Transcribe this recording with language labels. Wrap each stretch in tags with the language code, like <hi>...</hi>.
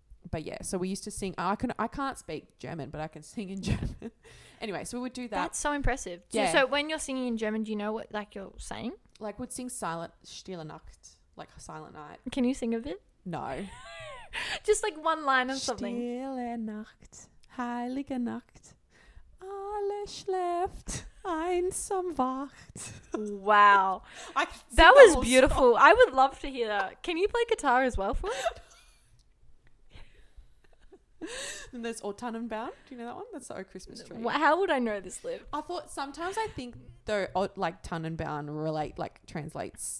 <en>But yeah, so we used to sing. I can't speak German, but I can sing in German. Anyway, so we would do that. That's so impressive. Yeah. So when you're singing in German, do you know what like you're saying? Like we'd sing silent, Stille Nacht, like Silent Night. Can you sing a bit? No. Just like one line or something.</en> <de>Stille Nacht, Heilige Nacht, alle schläft, einsam wacht.</de> <en>Wow. That was beautiful. I would love to hear that. Can you play guitar as well for it? And there's Autumnbaum. Do you know that one? That's the old Christmas tree. How would I know this, Liv? I thought sometimes I think though, like Tannenbaum relate, like translates.</en>